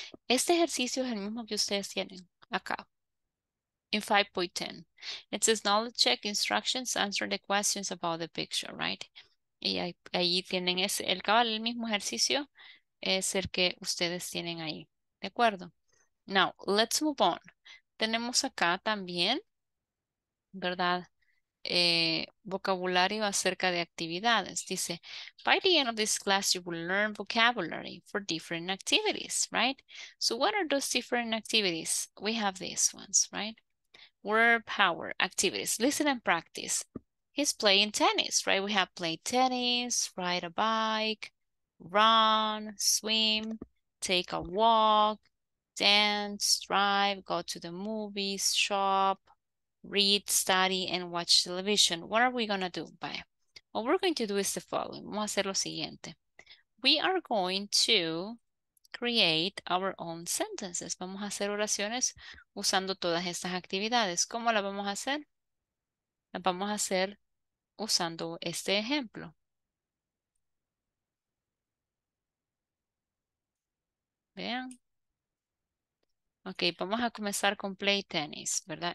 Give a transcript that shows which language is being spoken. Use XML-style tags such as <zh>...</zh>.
<es>Este ejercicio es el mismo que ustedes tienen acá.</es> <en>In 5.10. It says knowledge check, instructions, answer the questions about the picture, right?</en> <es>Y ahí tienen ese, el cabal, el mismo ejercicio es el que ustedes tienen ahí. ¿De acuerdo?</es> <en>Now, let's move on.</en> <es>Tenemos acá también, ¿verdad? Vocabulario acerca de actividades. Dice,</es> <en>by the end of this class, you will learn vocabulary for different activities, right? So what are those different activities? We have these ones, right? Word power activities. Listen and practice. He's playing tennis, right? We have play tennis, ride a bike, run, swim, take a walk, dance, drive, go to the movies, shop, read, study, and watch television. What are we gonna do? Bye. What we're going to do is the following.</en> <es>Vamos a hacer lo siguiente.</es> <en>We are going to create our own sentences.</en> <es>Vamos a hacer oraciones usando todas estas actividades. ¿Cómo las vamos a hacer? Las vamos a hacer usando este ejemplo. Vean. Ok, vamos a comenzar con play tennis, ¿verdad?</es>